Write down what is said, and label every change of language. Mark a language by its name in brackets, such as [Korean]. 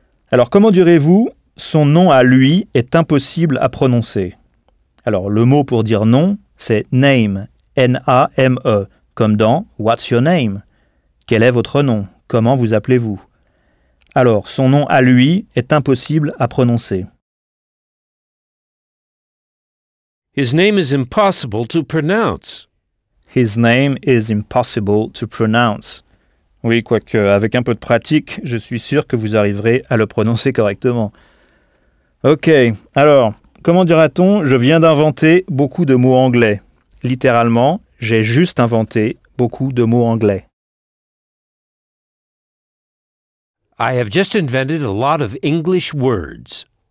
[French] Alors comment direz-vous « son nom à lui est impossible à prononcer » ? Alors le mot pour dire nom, c'est « name », N-A-M-E, comme dans « [English] what's your name ?»« [French] Quel est votre nom ? Comment vous appelez-vous ? » Alors « son nom à lui est impossible à prononcer. » [English] His name is impossible to pronounce. His name is impossible to pronounce. [French] Oui, quoique, avec un peu de pratique, je suis sûr que vous arriverez à le prononcer correctement. Ok, alors, comment dira-t-on « je viens d'inventer beaucoup de mots anglais » ? Littéralement, « j'ai juste inventé beaucoup de mots anglais ». [English] I have just invented a lot of English words.